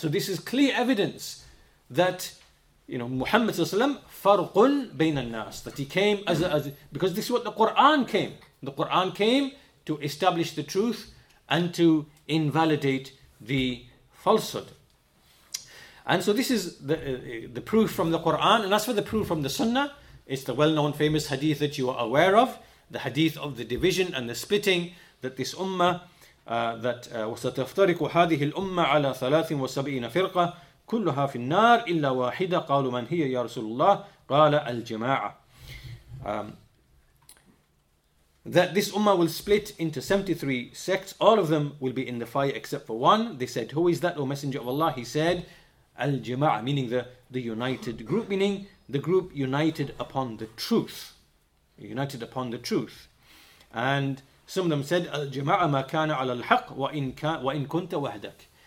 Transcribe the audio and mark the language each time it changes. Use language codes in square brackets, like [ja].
[en] So this is clear evidence that, you know, Muhammad farqun bayn al-nas, that he came as because this is what the Quran came. The Quran came to establish the truth and to invalidate the falsehood. And so this is the proof from the Quran. And as for the proof from the Sunnah, it's the well-known famous hadith that you are aware of. [ar] The hadith of the division and the splitting, that this ummah, that وَسَتَفْتَرِكُ هَذِهِ الْأُمَّةِ عَلَى ثَلَاثٍ وَسَبْئِينَ فِرْقَةٍ كُلُّهَا فِي النَّارِ إِلَّا وَاحِدَةٍ قَالُوا مَنْ هِيَ يَا رَسُولُ اللَّهِ قَالَ الْجِمَاعَةِ. [en] That this ummah will split into 73 sects. All of them will be in the fire except for one. They said, who is that, O Messenger of Allah? He said, الْجِمَاعَةِ, meaning the united group, meaning the group united upon the truth. United upon the truth. And some of them said, [ar] Al-Jama'a ma kana ala al-haq wa in kunta wahdak.